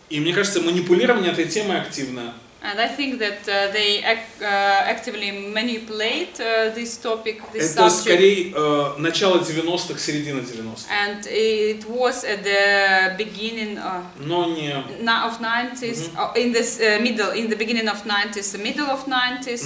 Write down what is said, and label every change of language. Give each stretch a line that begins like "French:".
Russian: И мне кажется, манипулирование этой темы активно.
English: And I think that they actively manipulate this topic, this
Russian: это Это скорее начало 90-х, середина 90-х.
English: And it was at the beginning of 90s, in the middle, in the beginning of 90s, the middle of 90s.